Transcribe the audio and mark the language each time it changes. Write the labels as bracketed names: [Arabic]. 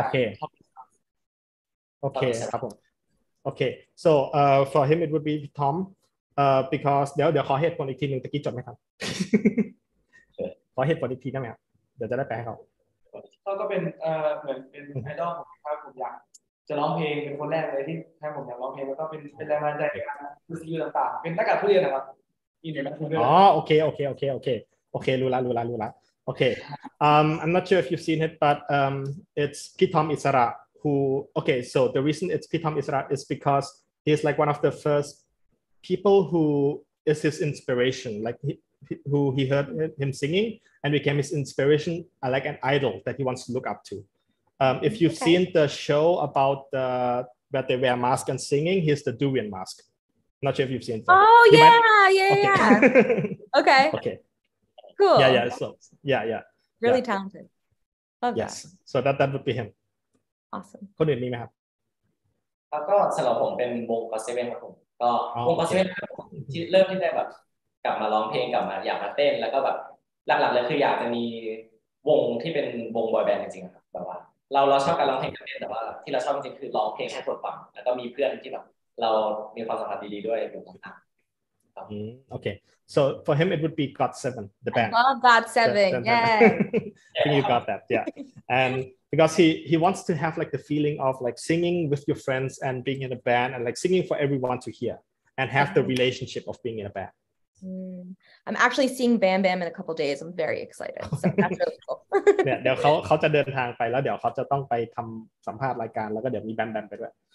[Thai] โอเคโอเคครับผมโอเค [English] so for him it would be Tom because [Thai] เดี๋ยวขอเหตุผลอีกทีนึงตะกี้จดไหมครับขอเหตุผลอีกทีได้ไหมเดี๋ยวจะได้แปลให้เขา เขาก็เป็นไอดอลครับผมอยากจะร้องเพลงเป็นคนแรกเลยที่ให้ผมอยากร้องเพลงแล้วก็เป็นแรงบันดาลใจคือซีรีส์ต่างๆเป็นนักการทูตเลยนะครับ อินเดียนักการทูตอ๋อโอเครู้ละโอเค [English] I'm not sure if you've seen it but it's Pitom Isara who okay so the reason it's Pitom Isara is because he's like one of the first people who is his inspiration like who he heard him singing and became his inspiration like an idol that he wants to look up to if you've okay. seen the show about the where they wear mask and singing he's the durian mask not sure if you've seen it. Okay. Cool. Really talented. Love yes. that. So that would be him. Awesome. [Thai] คนอื่นมีไหมครับ แล้วก็สำหรับผมเป็นวงก็อตเซเว่นครับผมก็วงก็อตเซเว่นที่เริ่มที่ได้แบบกลับมาร้องเพลงกลับมาอยากมาเต้นแล้วก็แบบหลักๆเลยคืออยากจะมีวงที่เป็นวงบอยแบนด์จริงๆครับแบบว่าเราชอบการร้องเพลงกับเต้นแต่ว่าที่เราชอบจริงๆคือร้องเพลงให้คนฟังแล้วก็มีเพื่อนที่แบบเรามีความสัมพันธ์ดีๆด้วยอยู่ข้างหลัง [English] Okay, so for him it would be God Seven, the band. Love God Seven, yeah. You got that, yeah. And because he wants to have like the feeling of like singing with your friends and being in a band and like singing for everyone to hear and have the relationship of being in a band. Mm. I'm actually seeing Bam Bam in a couple of days. I'm very excited. So that's really cool. [Thai] เดี๋ยวเขาจะเดินทางไปแล้วเดี๋ยวเขาจะต้องไปทำสัมภาษณ์รายการแล้วก็เดี๋ยวมีแบมแบมไปด้วย